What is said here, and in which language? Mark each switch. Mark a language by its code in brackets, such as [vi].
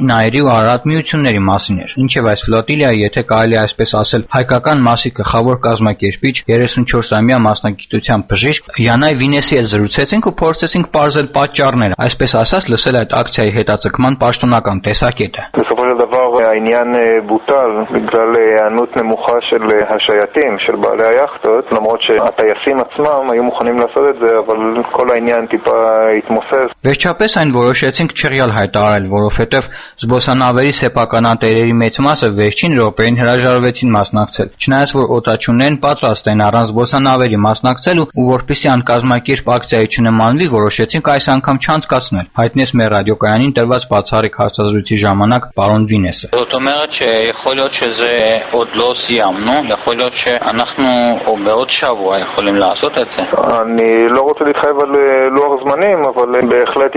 [hy] Նաիրի ու Արարատ միությունների մասին էր։ Ինչև այս ֆլոտիլիայը, եթե կարելի այսպես ասել, հայկական մասի գլխավոր կազմակերպիչ 34-ամյա մասնագիտության բժիշկ Յանայ Վինեսի հետ զրուցեցինք ու փորձեցինք պարզել պատճառները, այսպես ասած, լսել այդ ակցիայի հետաձգման պաշտոնական տեսակետը։ [he] העניין בוטל בגלל הענות נמוכה של השייטים של בעלי היאכטות, למרות שהטייסים עצמם היו מוכנים לעשות את זה, אבל כל העניין טיפה התמוסס. [hy] Վերջապես այն որոշեցինք չեղյալ հայտարարել, որովհետև զբոսանավերի սեփականատերերի մեծ մասը վերջին րոպեին հրաժարվեցին մասնակցել, չնայած որ օտաչուններն պատրաստ են առանց զբոսանավերի մասնակցելու, ու որպեսզի անկազմակերպ ակցիայի չնմանվի, որոշեցինք այս անգամ չանցկացնել, հայտնեց մեր ռադիոկայանին տրված բացառիկ հարցազրույցի ժամանակ պարոն Վինես։ [he] זאת אומרת שיכול להיות שזה עוד לא סיימנו, יכול להיות שאנחנו או בעוד שבוע יכולים לעשות את זה. אני לא רוצה להתחייב על לוח זמנים, אבל בהחלט